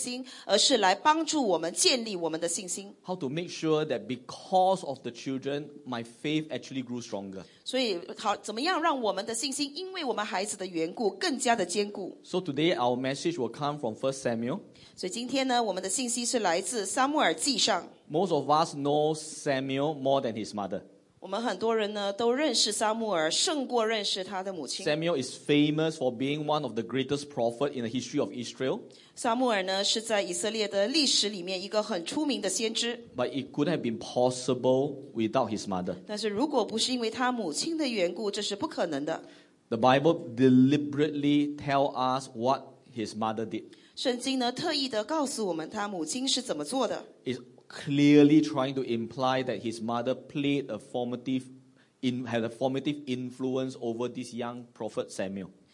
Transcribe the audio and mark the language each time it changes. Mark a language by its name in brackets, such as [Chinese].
[Chinese] 就是说当我们有孩子的时候呢，不应该让孩子来打击我们的信心，而是来帮助我们建立我们的信心。 [English] How to make sure that because of the children, my faith actually grew stronger. [Chinese] 所以怎么样让我们的信心因为我们孩子的缘故更加的坚固。 [English] So today our message will come from 1 Samuel. [Chinese] 所以今天呢我们的信息是来自撒母耳记上。 [English] Most of us know Samuel more than his mother. [Chinese] 我们很多人呢都认识撒母耳胜过认识他的母亲。 [English] Samuel is famous for being one of the greatest prophets in the history of Israel. [Chinese] 撒母耳呢是在以色列的历史里面一个很出名的先知。 [English] But it could have been possible without his mother. [Chinese] 但是如果不是因为他母亲的缘故，这是不可能的。 [English] The Bible deliberately tells us what his mother did. [Chinese] 圣经呢特意的告诉我们他母亲是怎么做的。 [English] Clearly trying to imply that his mother played a formative had a formative influence over this young prophet Samuel.